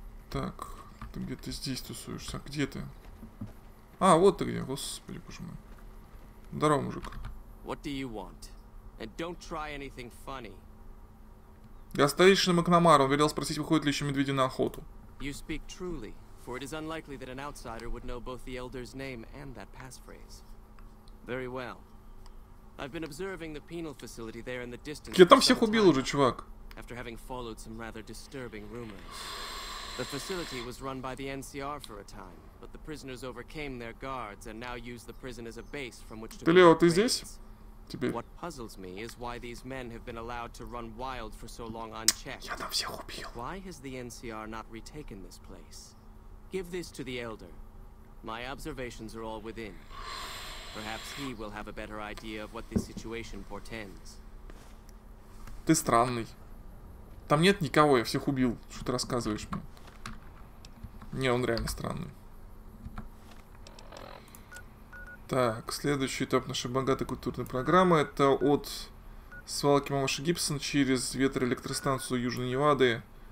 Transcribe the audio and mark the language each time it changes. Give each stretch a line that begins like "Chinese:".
Russian: Так, ты где-то здесь тусуешься, а где ты? А, вот ты где, господи, боже мой. Здорово, мужик.
English: What do you want? And don't try anything funny.
Russian: Я старейшина Макнамара, он велел спросить, выходит ли еще медведи на охоту.
English: You speak truly, for it is unlikely that an outsider would know both the elder's name and that passphrase. Very well. I've been observing the penal facility there in the distance.
Russian: Я там всех убил уже, чувак.
English: After having followed some rather disturbing rumors. The facility was run by the NCR for a time, but the prisoners overcame their guards and now use the prison as a base from which to build raids.
Russian: Ты, Лео, ты здесь? Теперь.
English: What puzzles me is why these men have been allowed to run wild for so long unchecked.
Russian: Я там всех убил.
English: Why has the NCR not retaken this place? Give this to the elder. My observations are all within. Perhaps he will have a better idea of what this situation portends.
Russian: Ты странный. Там нет никого, я всех убил. Что ты рассказываешь мне? Не, он реально странный. Так, следующий этап нашей богатой культурной программы. Это от свалки мамаши Гибсон через ветроэлектростанцию Южной Невады.